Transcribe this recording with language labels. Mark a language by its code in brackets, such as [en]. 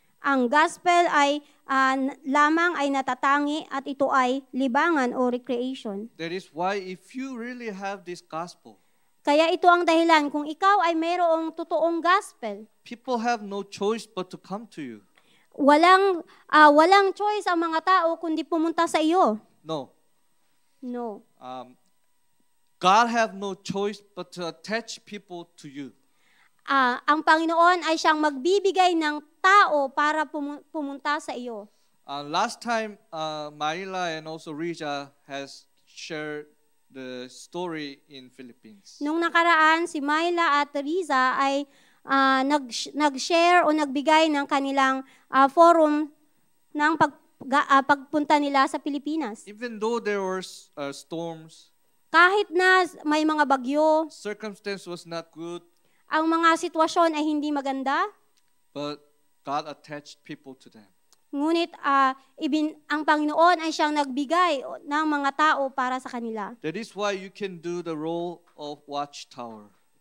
[tl] Ang gospel ay lamang ay natatangi at ito ay libangan o recreation. [en] That is why if you really have this gospel, [tl] kaya ito ang dahilan kung ikaw ay mayroong totoong gospel. [en] People have no choice but to come to you. [tl] Walang choice ang mga tao kundi pumunta sa iyo. [en] No. God have no choice but to attach people to you. [tl] Ang Panginoon ay siyang magbibigay ng tao para pumunta sa iyo. [en] Last time, Marila and also Rija has shared the story in Philippines. [tl] Nung nakaraan, si Myla at Riza ay nag-share o nagbigay ng kanilang forum ng pagpunta nila sa Pilipinas. [en] Even though there were storms, [tl] kahit na may mga bagyo, [en] circumstance was not good, [tl] ang mga sitwasyon ay hindi maganda, [en] but God attached people to them. [tl] Ngunit ang Panginoon ay siyang nagbigay ng mga tao para sa kanila. [en] That is why you can do the role of watchtower.